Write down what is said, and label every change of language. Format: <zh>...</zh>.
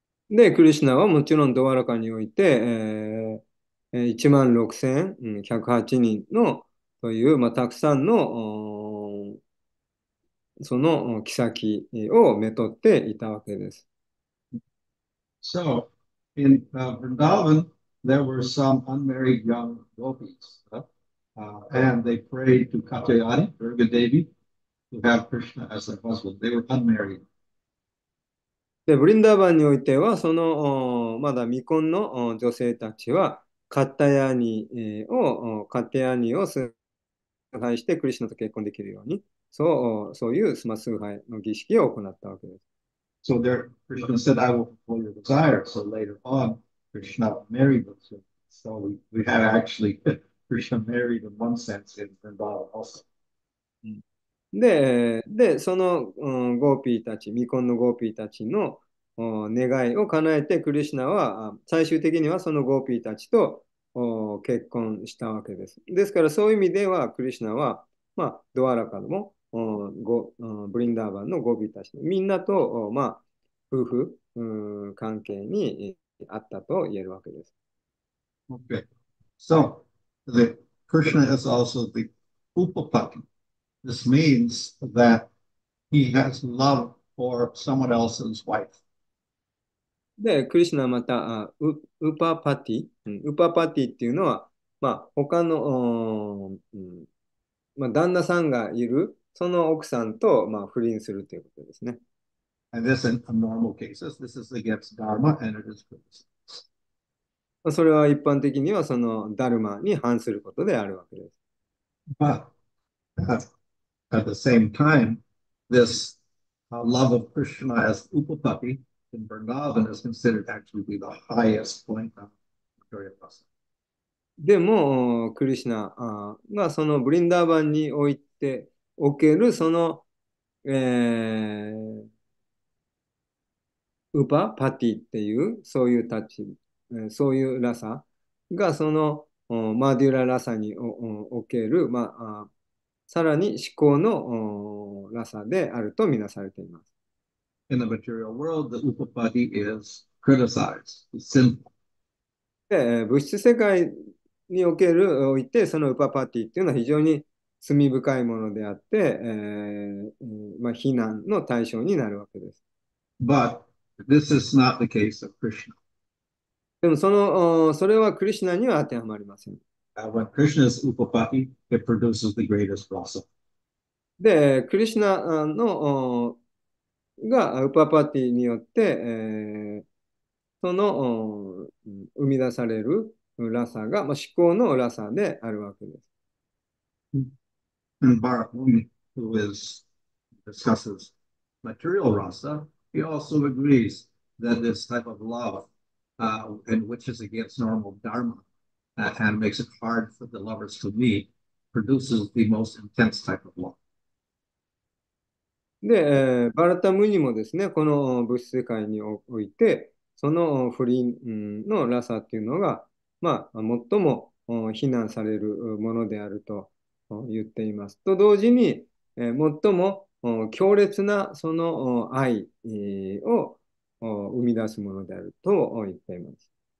<ja>で、クリシナはもちろんドワラカにおいて、1万6108人のという、まあ、たくさんの、その妃をめとっていたわけです。</ja> <en>So, in Vrindavan, there were some unmarried young gopis, and they prayed to Katyayani, Durga Devi. To have Krishna as their husband. They were unmarried.</en> <ja>で、ブリンダーバンにおいては、その、まだ未婚の女性たちは、カッタヤニを崇拝してクリシナと結婚できるように、そういう崇拝の儀式を行ったわけです。</ja> <en>So there, Krishna said, I will fulfill your desire. So later on, Krishna married them. So we had actually Krishna married in one sense in Vrindavan also.</en> <ja>で、その、未婚のゴーピーたちの願いを叶えて、クリシナは最終的にはそのゴーピーたちと結婚したわけです。ですからそういう意味では、クリシナは、まあ、ドワラカでも、ブリンダーバンのゴビたち、みんなと、まあ、夫婦関係にあったと言えるわけです。</ja> <en>Okay, so the Krishna is also the Upapati. This means that he has love for someone else's wife.</en> <ja>で、クリシナはまた、ウパパティっていうのは、まあ、他の、まあ、旦那さんがいる、その奥さんと、まあ、不倫するということですね。</ja> <en>And this in normal cases, this is against Dharma and it is criticism.</en> <ja>まあ、それは一般的には、その、ダルマに反することであるわけです。</ja> <en>But at the same time, this love of Krishna as Upapati in Vrindavan is considered actually to be the highest point of material process.</en> <ja>でも、クリシナが、そのブリンダーバンにおいておける、その、ウパパティっていう、そういうラサが、その、マデュララサにおける、まあ、さらに思考のラサであるとみなされています。</ja> <en>In the material world, the upapadi is criticized, sinful.</en> <ja>で、物質世界におけるおいて、そのウパパティというのは非常に罪深いものであって、まあ、非難の対象になるわけです。</ja> <en>But this is not the case of Krishna.</en> <ja>でもそれはクリシュナには当てはまりません。</ja> <en>When Krishna is upapati, it produces the greatest rasa.</en> <ja>で、クリシュナのがウパパティによって、その生み出されるラサが、まあ、思考のラサであるわけです。</ja> <en>And Bharatmuni, who is discusses material rasa, he also agrees that this type of love, and which is against normal dharma, and makes it hard for the lovers to meet, produces the most intense type of love.</en> <ja>で、バラタムニもですね、この物質世界において、その不倫のラサっていうのが、まあ、最も非難されるものであると言っています。と同時に、最も強烈なその愛を生み出すものであると言っています。</ja>